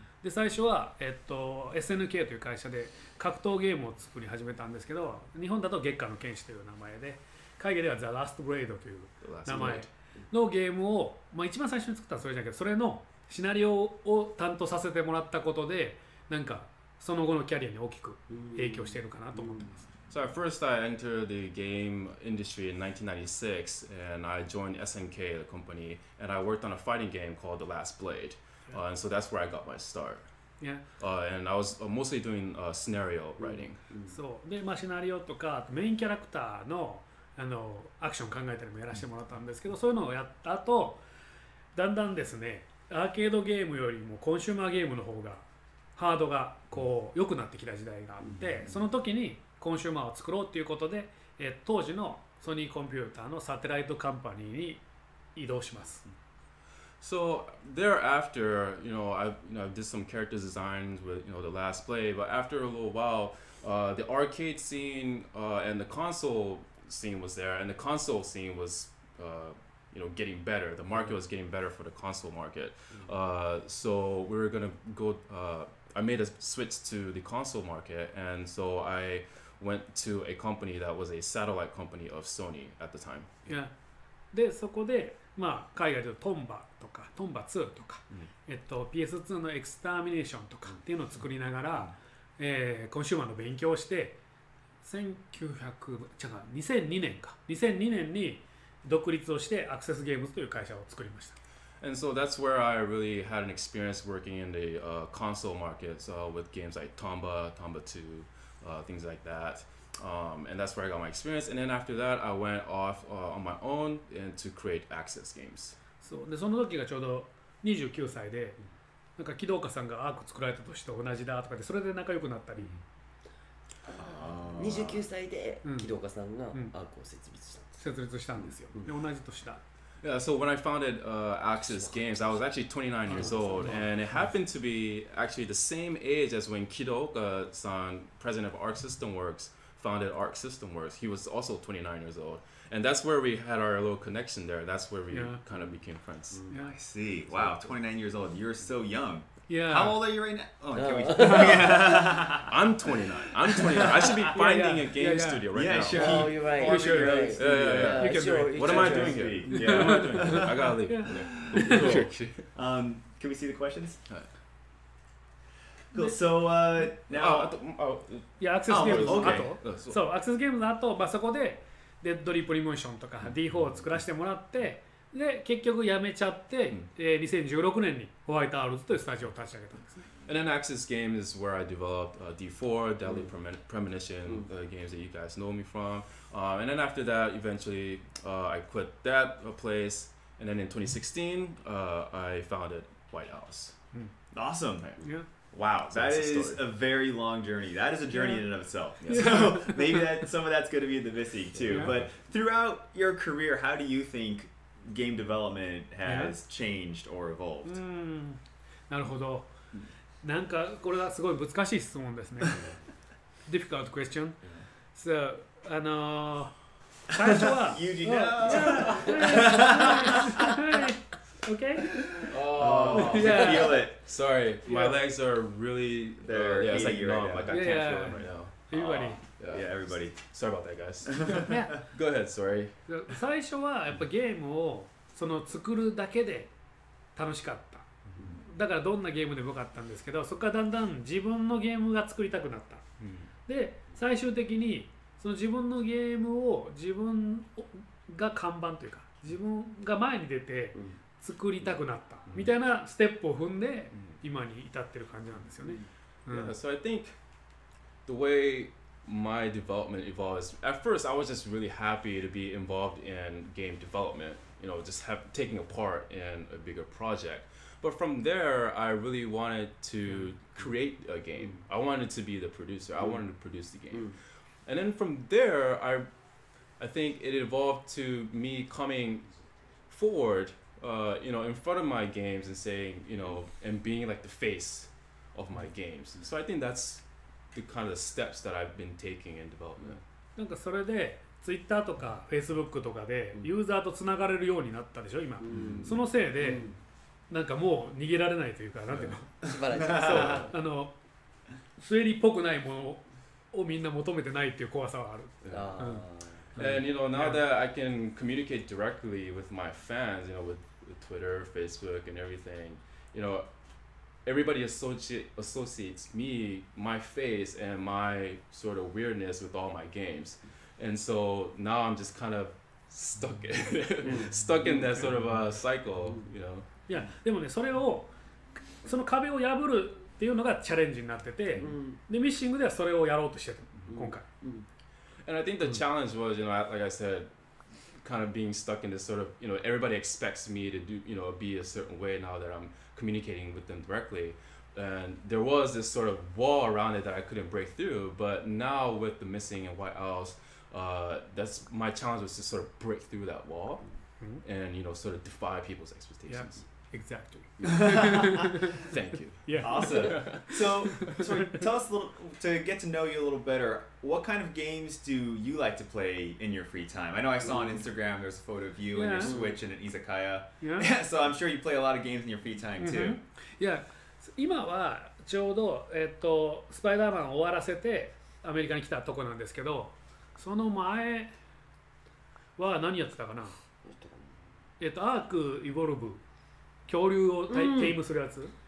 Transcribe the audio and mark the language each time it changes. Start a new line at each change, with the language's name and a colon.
Japanese: で最初は、SNK という会社で格闘ゲームを作り始めたんですけど、日本だと月下の剣士という名前で、海外では The Last Blade という名前のゲームを、まあ、一番最初に作ったのはそれじゃなくて、それのシナリオを担当させてもらったことで、なんかその後のキャリアに大きく影響しているかなと思ってます。
English: So at first I entered the game industry in 1996 and I joined SNK, the company, and I worked on a fighting game called The Last Blade. Yeah. And so that's where I got my start. Yeah. And I was mostly doing scenario writing.
Japanese: So, で、まあ、シナリオとかメインキャラクターの、アクション考えたりもやらせてもらったんですけど、そういうのをやった後、だんだんですね、アーケードゲームよりもコンシューマーゲームの方がハードがこう良くなってきた時代があって、その時にコンシューマーを作ろうということで、当時のソニーコンピューターのサテライトカンパニーに移動します。
English: So thereafter, you know, I did some character designs with, you know, The Last Play, but after a little while, the arcade scene and the console scene was there, and the console scene was, you know, getting better. The market was getting better for the console market. So we were going to go, I made a switch to the console market, and so I went to a company that was a satellite company of Sony at the time. Yeah.
Japanese: で、そこで、まあ、海外でトンバとか、トンバ2とか、PS2 のエクスターミネーションとかっていうのを作りながら、コンシューマーの勉強をして、2002年に独立をして、アクセスゲームズという会社を作りました。
English: And so that's where I really had an experience working in the console markets with games like Tomba, Tomba 2,things like that, and that's where I got my experience. And then after that, I went off on my own and to create Access Games.
Japanese: So, でその時がちょうど29歳で、なんか木戸岡さんがアーク作られた年と同じだとかで、それで仲良くなったり。 29歳で木戸岡さんがアークを設立した。設立したんですよ。で同じ年だ。
English: Yeah, so when I founded Access Games, I was actually 29 years old, and it happened to be actually the same age as when Kido-san, president of Arc System Works, founded Arc System Works. He was also 29 years old, and that's where we had our little connection there. That's where we kind of became friends. Yeah. I see. Wow, 29 years old. You're so young. Yeah. How old are you right now? Oh, can we? I'm 29. I'm 29. I should be finding a game studio right now. Yeah, sure. Oh, you're right. Yeah, you're sure. What am I doing here? Yeah, I gotta leave. Yeah. Cool. Can we see the questions? Cool. So now, Access Games. So Access Games. After, so
Japanese: こで Dead Drop Promotion とか D4 を作らせてもらって。で結局辞めちゃって、2016年にホワイトアールズというスタジオを立ち上げたんですね。
English: And then Access Games is where I developed D4, Deadly Premonition, the games that you guys know me from. And then after that, eventually, I quit that place. And then in 2016, I founded White Owls. Awesome. Yeah. Wow, that is a very long journey. That is a journey in and of itself. Yes. So maybe that some of that's going to be the missing too. Yeah. But throughout your career, how do you think game development has changed or evolved?
Japanese: なるほど。なんかこれはすごい難しい質問ですね。
English: Difficult question. So,
Japanese: 最初は…
English: You do know! Okay? Oh, yeah. I feel it. Sorry, my legs are really… They're yeah, itchy like, right numb. Now. Like, I can't feel them right now. Everybody. Yeah, everybody. Sorry about that, guys. Yeah. Go ahead, sorry.
Japanese: 最初はやっぱゲームをその作るだけで楽しかった。だからどんなゲームでもよかったんですけど、そこからだんだん自分のゲームが作りたくなった。で、最終的にその自分のゲームを自分が看板というか、自分が前に出て作りたくなったみたいなステップを踏んで今に至ってる感じなんですよね。
English: Yeah, so I think the wayMy development evolves. At first, I was just really happy to be involved in game development, you know, just taking a part in a bigger project. But from there, I really wanted to create a game. I wanted to be the producer. I wanted to produce the game. And then from there, I think it evolved to me coming forward, you know, in front of my games and saying, you know, and being like the face of my games. So I think that'sThe kind of steps that I've been taking in development.
Japanese: なんかそれで Twitter とか Facebook とかでユーザーとつながれるようになったでしょ今。そのせいでなんかもう逃げられないというか、なんていうの、素晴らしい。そう、あの、スウェリーっぽくないものをみんな求めてないっていう怖さはある。
English: And you know, now that I can communicate directly with my fans, you know, with Twitter, Facebook, and everything, you know, everybody associates me, my face, and my sort of weirdness with all my games. And so now I'm just kind of stuck in, stuck in that sort of a cycle, you know.
Japanese: Yeah, でもね、それを、その壁を破るっていうのがチャレンジになってて、で、ミッシングではそれをやろうとしてた、今回。
English: And I think the challenge was, you know, like I said, kind of being stuck in this sort of, you know, everybody expects me to do, you know, be a certain way now that I'm communicating with them directly. And there was this sort of wall around it that I couldn't break through. But now with the missing and White Owls, that's my challenge was to sort of break through that wall and, you know, sort of defy people's expectations. Yep. Exactly. Thank you. Yeah. Awesome. So, sorry, tell us a little, to get to know you a little better, what kind of games do you like to play in your free time? I know I saw on Instagram there's a photo of you and your Switch and an izakaya. Yeah. So I'm sure you play a lot of games in your free time too. Yeah.
Japanese: 今はちょうど、スパイダーマンを終わらせてアメリカに来たとこなんですけど、その前は何やってたかな？アーク・イボルブ。恐竜をテイムするやつ。